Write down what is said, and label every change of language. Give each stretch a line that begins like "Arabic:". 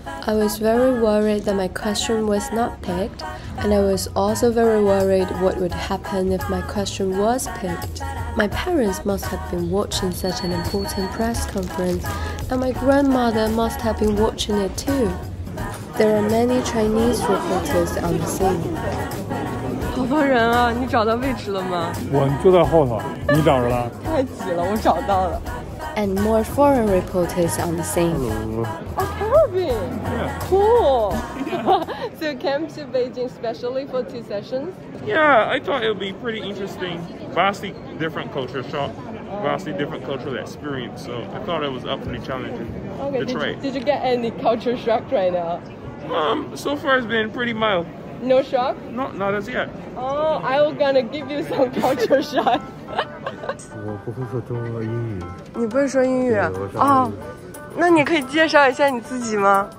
English: I was very worried that my question was not picked, and I was also very worried what would happen if my question was picked. My parents must have been watching such an important press conference, and my grandmother must have been watching it too. There are many Chinese reporters on the scene.
Chinese: 好多人啊，你找到位置了吗？我就在后头，你找着了？太挤了，我找到了。
English: And more foreign reporters on the scene. Oh, Kevin! Yeah. Cool! So you came to Beijing specially for two sessions? Yeah, I thought it would be pretty interesting. Vastly different culture shock, vastly different cultural experience. So I thought it was awfully challenging. Okay, did you get any culture shock right now? So far it's been pretty mild. No shock? Not as yet. Oh, I was gonna give you some culture shock.
Chinese: 我不会说中文和英语。你不会说英语啊？哦，那你可以介绍一下你自己吗？